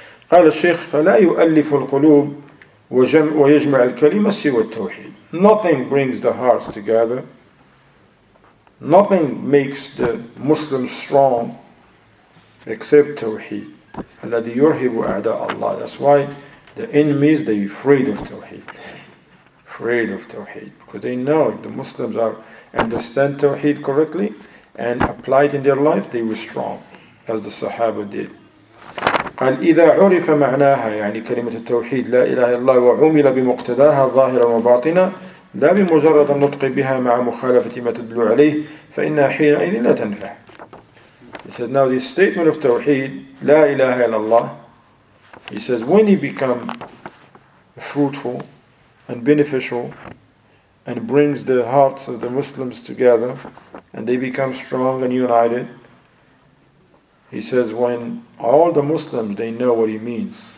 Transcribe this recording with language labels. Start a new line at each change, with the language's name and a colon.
Arabic: قال الشيخ فلا يؤلف القلوب ويجمع الكلمة سوى التوحيد.
English: Nothing brings the hearts together. Nothing makes the Muslim strong except Tawheed.
Arabic: الذي يرهب أعداء الله.
English: That's why the enemies, they are afraid of Tawheed. Afraid of Tawheed. Because they know if the Muslims are understand Tawheed correctly and apply it in their life, they were strong, as the Sahaba did.
Arabic: قال إذا عرف معناها يعني كلمة التوحيد لا إله إلا الله وعمل بمقتداها ظاهرا وباطنا لا بمجرد النطق بها مع مخالفة ما تدل عليه فإنها حينئذ لا تنفع.
English: He says now this statement of Tawheed
Arabic: لا إله إلا الله,
English: he says when it becomes fruitful and beneficial and brings the hearts of the Muslims together and they become strong and united, he says when all the Muslims, they know what he means.